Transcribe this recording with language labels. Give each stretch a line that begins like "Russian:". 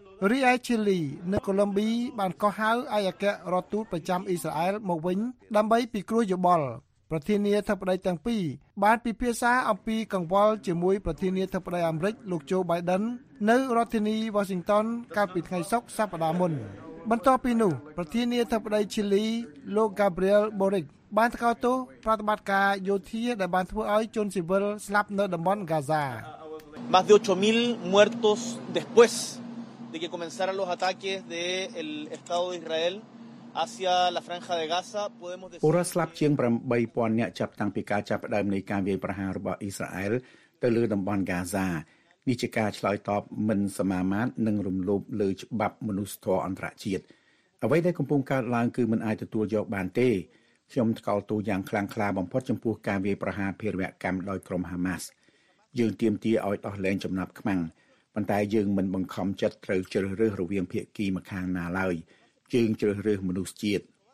Khmer: រីឯឈីលីនៅកូឡុំប៊ីបានកោះហៅអាយកៈរដ្ឋទូតប្រចាំអ៊ីស្រាអែលមកវិញដើម្បីពិគ្រោះយោបល់ប្រធានាធិបតីទាំងពីរបានពិភាក្សាអំពីកង្វល់ជាមួយប្រធានាធិបតីអាមេរិកលោកជូបៃដិននៅរដ្ឋធានីវ៉ាស៊ីនតោនកាលពីថ្ងៃសុក្រសប្តាហ៍មុនបន្ទាប់ពីនោះប្រធានាធិបតីឈីលីលោកកាប្រៀលបូរិកបានថ្កោលទោសប្រតិបត្តិការយោធាដែលបានធ្វើឲ្យជនស៊ីវិលស្លាប់នៅតំបន់ហ្គាហ្សា
Spanish: Más de 8000 muertos después de que comenzaran los ataques del Estado de IsraelHacia la franja de Gaza podemos decir
Khmer: ពរស្លាប់ជាង 8,000 អ្នកចាប់តាំងពីការចាប់ផ្ដើមនៃការវាយប្រហាររបស់អ៊ីស្រាអែលទៅលើតំបន់ហ្គាហ្សានេះជាការឆ្លើយតបមិនសមាមាត្រនិងរំលោភលើច្បាប់មនុស្សធម៌អន្តរជាតិអ្វីដែលកំពុងកើតឡើងគឺមិនអាចទទួលយកបានទេខ្ញុំថ្កោលទោសយ៉ាងខ្លាំងក្លាបំផុតចំពោះការវាយប្រហារភេរវកម្មដោយក្រុមហាម៉ាស់យើងទាមទារឲ្យដោះលែងចំណាប់ខ្មាំងប៉ុន្តែយើងមិនបង្ខំចិត្តត្រូវជ្រើសរើសរវាងភាគីម្ខាងណាឡើយជាងជ្រើសរើសមនុស្សជាតិ